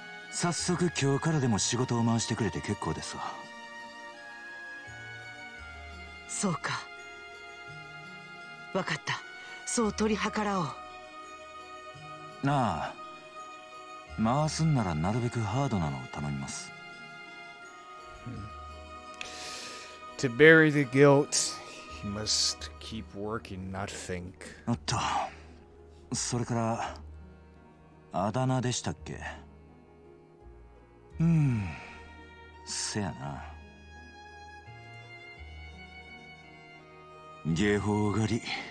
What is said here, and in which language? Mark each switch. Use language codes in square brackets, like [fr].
[ja] 早速今日からでも仕事を回してくれて結構ですわ。そうか、分かった、そう取り計らおう。なあ、回すんならなるべくハードなのを頼みます。 [en] To bury the guilt, he must keep working, not think. [ja] おっと、それから、あだ名でしたっけ？せやな。下方狩り。